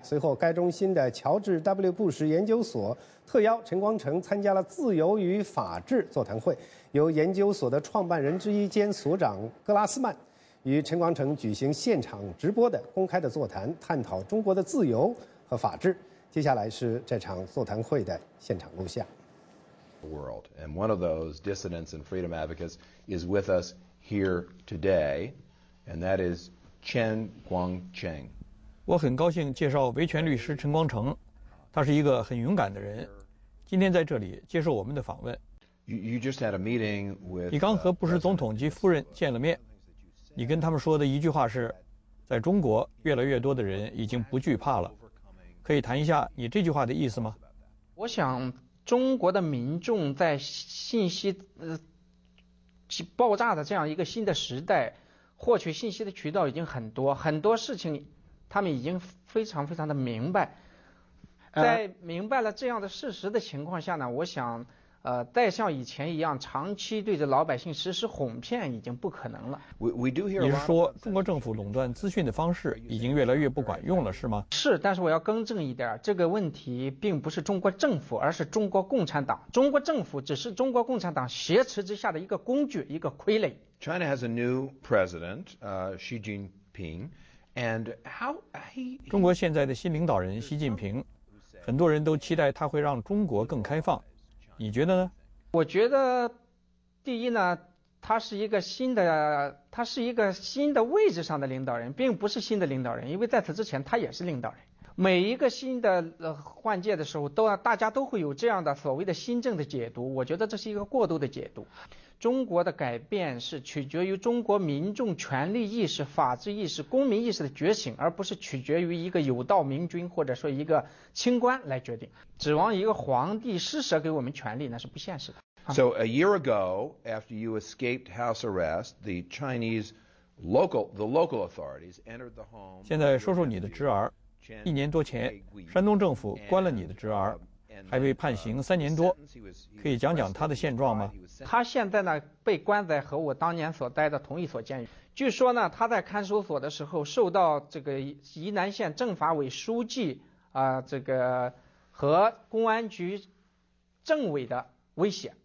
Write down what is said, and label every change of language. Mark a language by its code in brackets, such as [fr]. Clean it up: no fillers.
[zh] 随后该中心的乔治 W. 布什研究所特邀陈光诚参加了自由与法治座谈会，由研究所的创办人之一兼所长格拉斯曼与陈光诚举行现场直播的公开的座谈，探讨中国的自由和法治。接下来是这场座谈会的现场录像。 [en] World, and one of those dissidents and freedom advocates is with us here today, and that is Chen Guangcheng. [zh] 我很高兴介绍维权律师陈光诚，他是一个很勇敢的人，今天在这里接受我们的访问。 [en] You just had a meeting with. [zh] 你刚和布什总统及夫人见了面，你跟他们说的一句话是，在中国越来越多的人已经不惧怕了。可以谈一下你这句话的意思吗？我想中国的民众在信息爆炸的这样一个新的时代，获取信息的渠道已经很多，很多事情他们已经非常非常的明白。在明白了这样的事实的情况下呢，我想再像以前一样长期对着老百姓实施哄骗已经不可能了。你是说中国政府垄断资讯的方式已经越来越不管用了是吗？是，但是我要更正一点，这个问题并不是中国政府，而是中国共产党。中国政府只是中国共产党挟持之下的一个工具，一个傀儡。 [en] China has a new president, Xi Jinping, and how he [zh] 中国现在的新领导人习近平，很多人都期待他会让中国更开放，你觉得呢？我觉得第一呢，他是一个新的，他是一个新的位置上的领导人，并不是新的领导人，因为在此之前他也是领导人。每一个新的换届的时候，都大家都会有这样的所谓的新政的解读，我觉得这是一个过度的解读。中国的改变是取决于中国民众权利意识、法治意识、公民意识的觉醒，而不是取决于一个有道明君或者说一个清官来决定。指望一个皇帝施舍给我们权利，那是不现实的。 [en] So a year ago, after you escaped house arrest, the Chinese local, the local authorities entered the home. [zh] 现在说说你的侄儿。一年多前，山东政府关了你的侄儿，还被判刑3年多，可以讲讲他的现状吗？他现在呢，被关在和我当年所待的同一所监狱。据说呢，他在看守所的时候受到这个沂南县政法委书记这个和公安局政委的威胁。